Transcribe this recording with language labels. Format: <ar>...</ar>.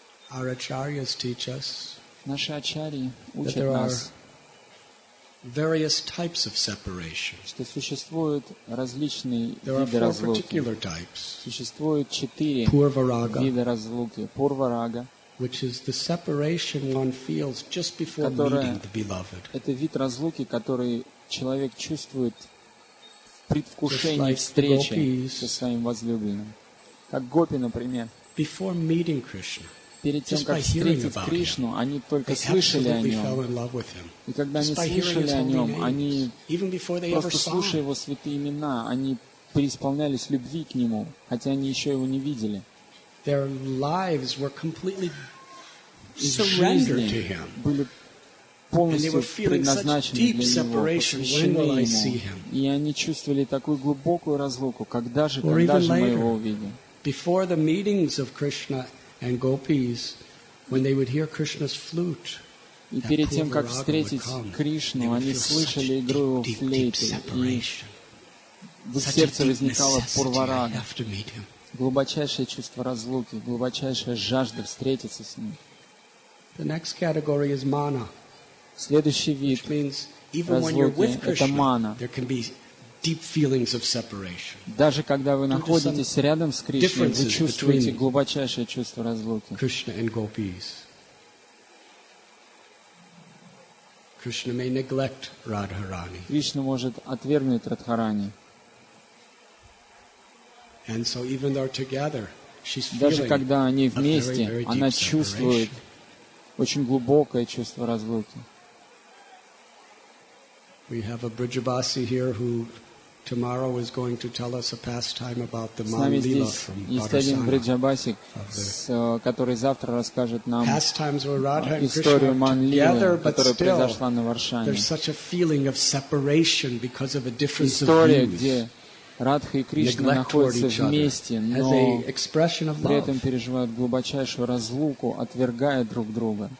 <en>Our acharyas teach us.</en> <ru>Наши ачарьи учат нас.</ru> <en>Various types of separation.</en> <ru>Что существуют различные виды разлуки. Существует четыре вида разлуки. Пурварага,</ru> <en>which is the separation one feels just before meeting the beloved.</en> <ru>Это вид разлуки, который человек чувствует в предвкушении встречи со своим возлюбленным. Как гопи, например.</ru> <en>Before meeting Krishna.</en> <ru>Перед тем, как встретить Кришну, они только слышали о нем. И когда они слышали о нем, они просто слушая его святые имена, они преисполнялись любви к нему, хотя они еще его не видели. Их жизни были полностью предназначены для него, посвящены ему. И они чувствовали такую глубокую разлуку, когда же мы его увидим?</ru> <en>Before the meetings of Krishna and gopis, when they would hear Krishna's flute,</en> <ru>и перед тем, как встретить Кришну, они слышали игру его флейты, и в сердце возникало пурварага, глубочайшее чувство разлуки, глубочайшая жажда встретиться с ним.</ru> <en>The next category is mana.</en> <ru>Следующий вид разлуки — это мана.</ru> <en>Deep feelings of separation.</en> <ru>Даже когда вы находитесь рядом с Кришной, вы чувствуете глубочайшее чувство разлуки.</ru> <en>Krishna and gopis. Krishna may neglect Radharani.</en> <ru>Кришна может отвергнуть Радхарани.</ru> <en>And so even though together, she's feeling</en> <ru>даже когда они вместе, она чувствует очень глубокое чувство разлуки.</ru> <en>We have a Brijabasi here who tomorrow is going to tell us a pastime about the Manlila from Bhadrasana.</en> <ru>Есть один Бриджабаси, который завтра расскажет нам</ru> <en>pastimes where Radha and</en> <ru>историю Манлилы, которая произошла на Варшане.</ru> <en>There's such a feeling of separation because of a difference of views.</en> <ru>Где Радха и Кришна находятся вместе, но при этом переживают глубочайшую разлуку, отвергая друг друга.</ru>